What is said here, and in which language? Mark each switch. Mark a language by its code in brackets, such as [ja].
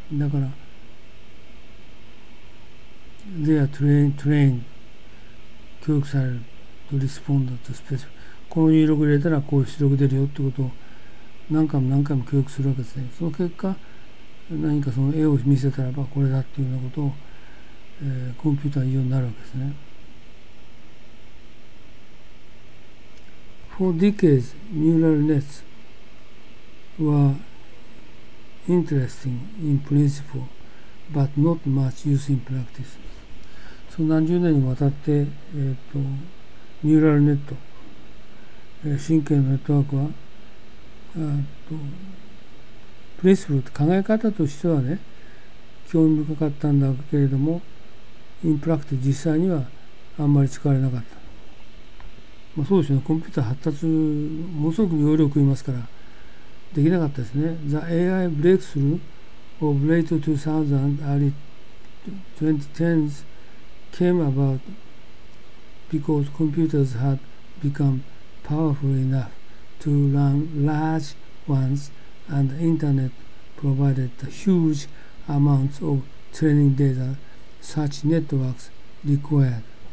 [ja] だから、 [en] they are trained, [ja] 教育されるとリスポンドとスペシャル。この入力入れたらこういう出力出るよってことを何回も何回も教育するわけですね。その結果、何かその絵を見せたらばこれだっていうようなことを、コンピューターは言うようになるわけですね。 [en] For decades, neural nets were interesting in principle, but not much use in practice. [ja] その何十年にわたって、ニューラルネット、神経のネットワークは、principle って考え方としてはね、興味深かったんだけれども、 [en] in practice [ja] 実際にはあんまり使われなかった。まあ、そうですね。コンピューター発達、ものすごく容量を食いますから、できなかったですね。 [en] The AI breakthrough of late 2000s, early 2010s came about because computers had become powerful enough to run large ones and the internet provided the huge amounts of training data such networks required.